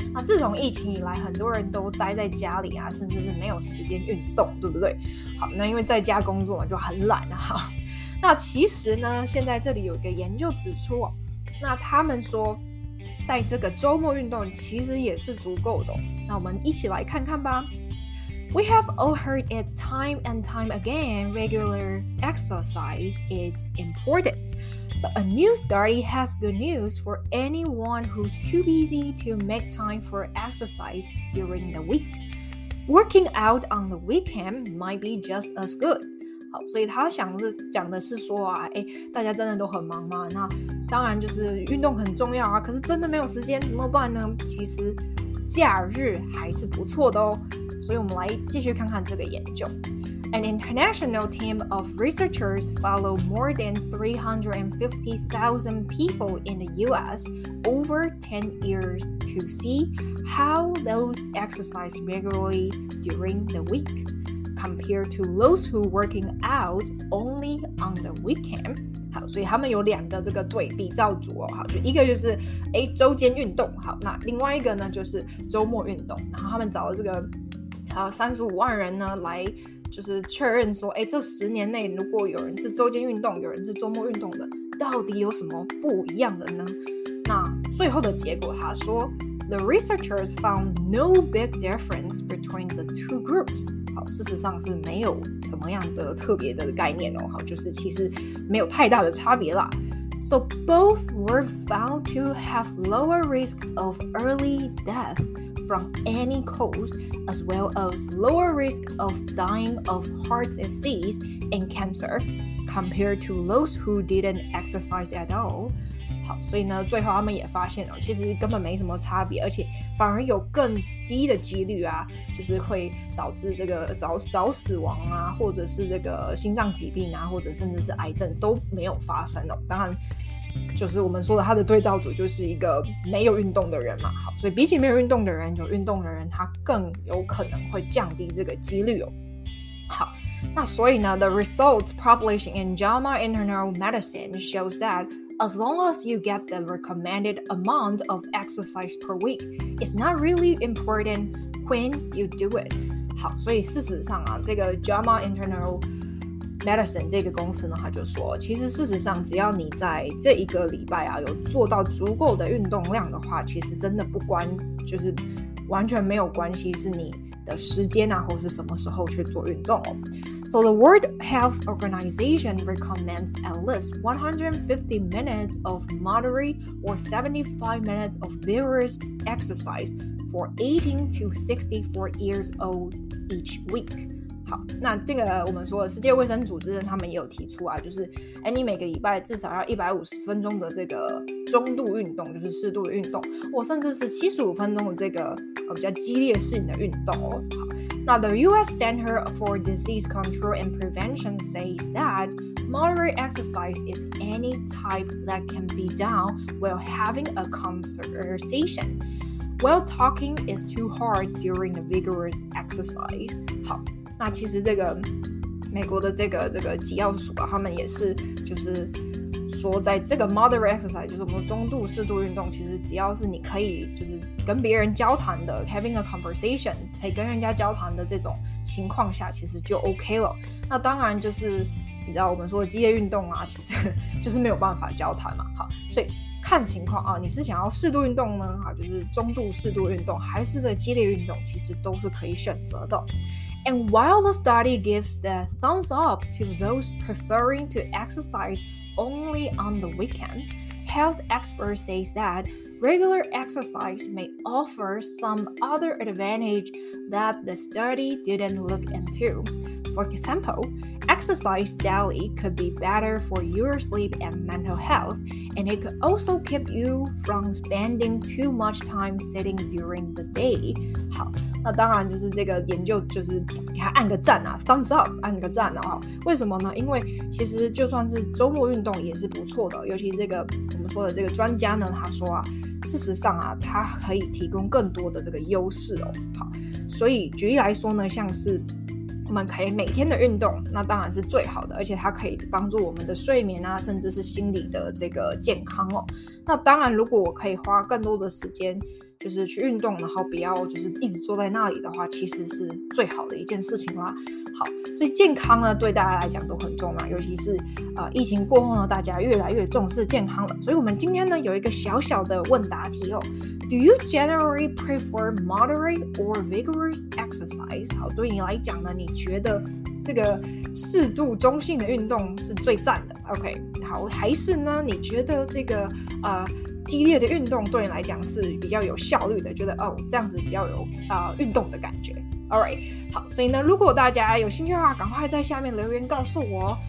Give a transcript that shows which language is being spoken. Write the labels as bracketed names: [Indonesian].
[Chinese] 那自从疫情以来，很多人都待在家里啊，甚至是没有时间运动，对不对？好，那因为在家工作嘛，就很懒啊。那其实呢，现在这里有一个研究指出哦，那他们说，在这个周末运动其实也是足够的、哦。那我们一起来看看吧。 [English] We have all heard it time and time again. Regular exercise is important. But a new study has good news for anyone who's too busy to make time for exercise during the week. Working out on the weekend might be just as good. [Chinese] 好，所以他想是讲的是说啊，哎，大家真的都很忙嘛，那当然就是运动很重要啊，可是真的没有时间怎么办呢？其实假日还是不错的哦。所以我们来继续看看这个研究。 [English] An international team of researchers followed more than 350,000 people in the U.S. over 10 years to see how those exercise regularly during the week, compared to those who working out only on the weekend. [Chinese] 好，所以他们有两个这个对比照组哦。好，就一个就是哎周间运动，好，那另外一个呢就是周末运动。然后他们找了这个35万人呢来。就是确认说，哎，这十年内如果有人是周间运动，有人是周末运动的，到底有什么不一样的呢？那最后的结果，他说 [English] ，The researchers found no big difference between the two groups。 [Chinese] 好，事实上是没有什么样的特别的概念哦。好，就是其实没有太大的差别啦。 [English] So both were found to have lower risk of early death. From any cause, as well as lower risk of dying of heart disease and cancer, compared to those who didn't exercise at all. [Chinese] 好，所以呢，最后他们也发现哦，其实根本没什么差别，而且反而有更低的几率啊，就是会导致这个早死亡啊，或者是这个心脏疾病啊，或者甚至是癌症都没有发生哦。当然。就是我们说的他的对照组就是一个没有运动的人嘛，好，所以比起没有运动的人，有运动的人他更有可能会降低这个几率哦。好，那所以呢 [English] The results published in JAMA Internal Medicine shows that as long as you get the recommended amount of exercise per week, it's not really important when you do it. [Chinese] 好，所以事实上啊，这个 JAMA InternalMedicine 这个公司呢，他就说，其实事实上，只要你在这一个礼拜啊，有做到足够的运动量的话，其实真的不关，就是完全没有关系，是你的时间啊，或是什么时候去做运动哦。 [English] So the World Health Organization recommends at least 150 minutes of moderate or 75 minutes of vigorous exercise for 18 to 64 years old each week. [Chinese] 好，那这个我们说的世界卫生组织他们也有提出啊，就是哎，你每个礼拜至少要150分钟的这个中度运动，就是适度的运动，或甚至是75分钟的这个比较激烈性的运动哦。好，那 [English] The U.S. Center for Disease Control and Prevention says that moderate exercise is any type that can be done while having a conversation. While talking is too hard during a vigorous exercise. [Chinese] 好，那其实这个美国的这个疾药署啊，他们也是就是说，在这个 moderate exercise 就是我们中度适度运动，其实只要是你可以就是跟别人交谈的 [English] having a conversation [Chinese] 可以跟人家交谈的这种情况下，其实就 OK 了。那当然就是你知道我们说的激烈运动啊，其实就是没有办法交谈嘛。好，所以。看情况啊，你是想要适度运动呢，啊，就是中度适度运动，还是这激烈运动，其实都是可以选择的。 [English] And while the study gives the thumbs up to those preferring to exercise only on the weekend, health experts say that regular exercise may offer some other advantage that the study didn't look into. For example,Exercise daily could be better for your sleep and mental health, and it could also keep you from spending too much time sitting during the day. [Chinese] 好，那当然就是这个研究就是给他按个赞啊 ，thumbs up， 按个赞啊、哦。为什么呢？因为其实就算是周末运动也是不错的，尤其这个我们说的这个专家呢，他说啊，事实上啊，他可以提供更多的这个优势哦。好，所以举例来说呢，像是我们可以每天的运动，那当然是最好的，而且它可以帮助我们的睡眠啊，甚至是心理的这个健康哦。那当然，如果我可以花更多的时间，就是去运动，然后不要就是一直坐在那里的话，其实是最好的一件事情啦。好，所以健康呢对大家来讲都很重要，尤其是疫情过后呢，大家越来越重视健康了。所以我们今天呢有一个小小的问答题哦。 [English] Do you generally prefer moderate or vigorous exercise? [Chinese] 好，对你来讲呢，你觉得这个适度中性的运动是最赞的 ？OK， 好，还是呢，你觉得这个激烈的运动对你来讲是比较有效率的？觉得哦，这样子比较有运动的感觉。All right， 好，所以呢，如果大家有兴趣的话，赶快在下面留言告诉我哦。